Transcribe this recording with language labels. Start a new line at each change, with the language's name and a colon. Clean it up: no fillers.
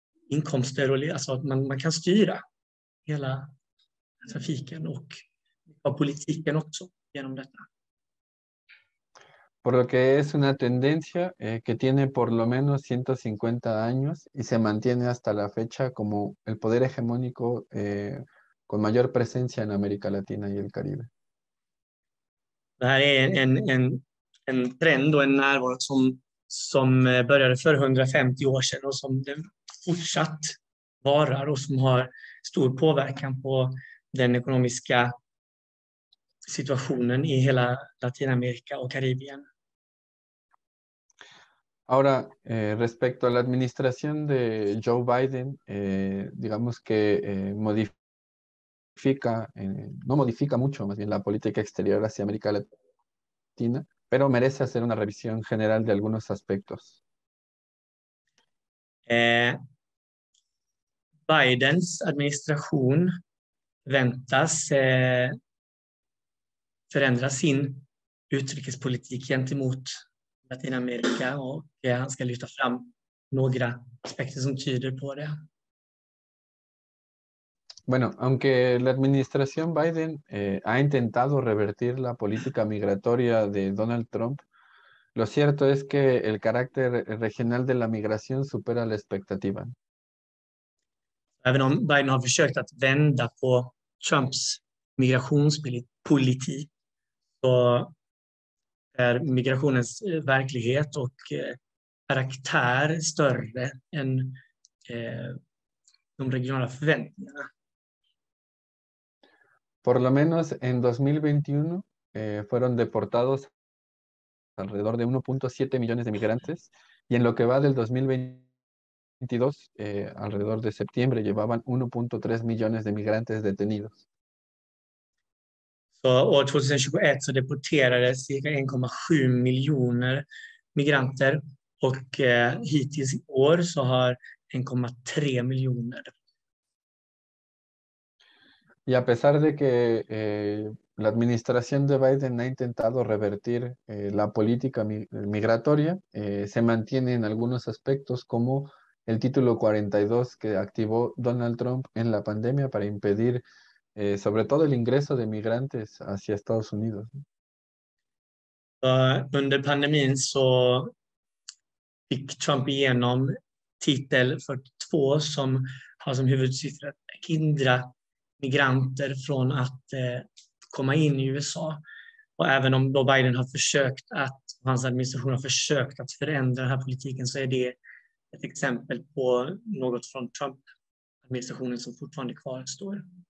Swedish: inkomster och alltså att man kan styra hela trafiken och politiken också genom detta.
Spanish: Por lo que es una tendencia que tiene por lo menos 150 años y se mantiene hasta la fecha como el poder hegemónico con mayor presencia en América Latina y el Caribe.
Swedish: Det här är en trend och en närvaro som började för 150 år sedan och som det fortsatt varar och som har stor påverkan på den ekonomiska situationen i hela Latinamerika och Karibien.
Spanish: Ahora, respecto a la administración de Joe Biden, digamos que no modifica mucho más bien la política exterior hacia América Latina, pero merece hacer una revisión general de algunos aspectos.
Swedish: Bidens administración väntas förändra sin utrikespolitik gentemot Latinamerika och han ska lyfta fram några aspekter som tyder på det.
Spanish: Bueno, aunque la administración Biden ha intentado revertir la política migratoria de Donald Trump, Lo cierto es que el carácter regional de la migración supera la expectativa.
Swedish: Även om Biden har försökt att vända på Trumps migrationspolitik så är migrationens verklighet och karaktär större än de regionala förväntningarna.
Spanish: Por lo menos en 2021 fueron deportados alrededor de 1.7 millones de migrantes y en lo que va del 2022, alrededor de septiembre, llevaban 1.3 millones de migrantes detenidos.
Swedish: Så år 2021 så deporterades cirka 1,7 miljoner migranter och hittills i år så har 1,3 miljoner.
Spanish: Y a pesar de que la administración de Biden ha intentado revertir la política migratoria, se mantiene en algunos aspectos como el título 42 que activó Donald Trump en la pandemia para impedir sobre todo el ingreso de migrantes hacia Estados Unidos.
Swedish: Under pandemin så fick Trump igenom titel 42 som har som huvudsyfte att hindra migranter från att komma in i USA. Och även om då Biden har försökt att, hans administration har försökt att förändra den här politiken så är det ett exempel på något från Trump-administrationen som fortfarande kvarstår.